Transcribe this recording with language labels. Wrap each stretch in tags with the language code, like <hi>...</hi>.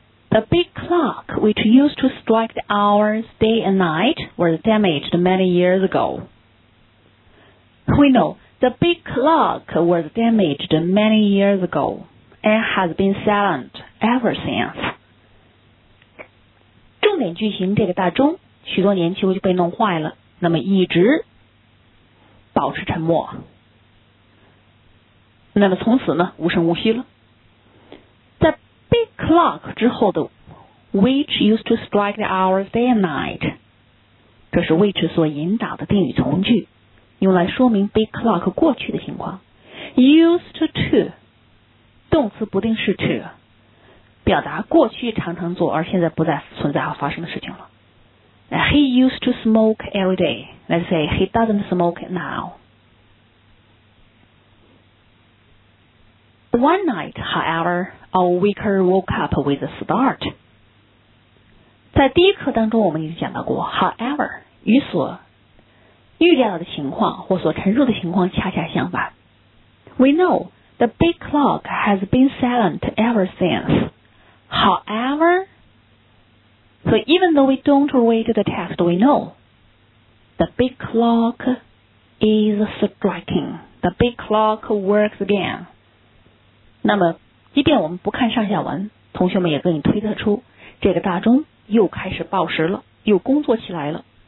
<en>The big clock which used to strike the hours day and night was damaged many years ago. We know the big clock was damaged many years ago and has been silent ever since.</en> <zh>重点句型这个大钟许多年前就被弄坏了，那么一直保持沉默，那么从此呢无声无息了。在 big clock 之后的</zh> <en>which used to strike the hours day and night，</en> <zh>这是 which 所引导的定语从句，用来说明 big clock 过去的情况。 used to 动词不定式 to 表达过去常常做而现在不再存在和发生的事情了。</zh> <en>He used to smoke every day. Let's say he doesn't smoke now. One night, however, a waker woke up with a start.</en> <zh>在第一课当中我们已经讲到过 however 与所预料的情况或所陈述的情况恰恰相反。</zh> <en>We know the big clock has been silent ever since. However,So even though we don't read the text, we know the big clock is striking. The big clock works again.</en> <zh>那么即便我们不看上下文，同学们也可以推测出这个大钟又开始报时了，又工作起来了。</zh>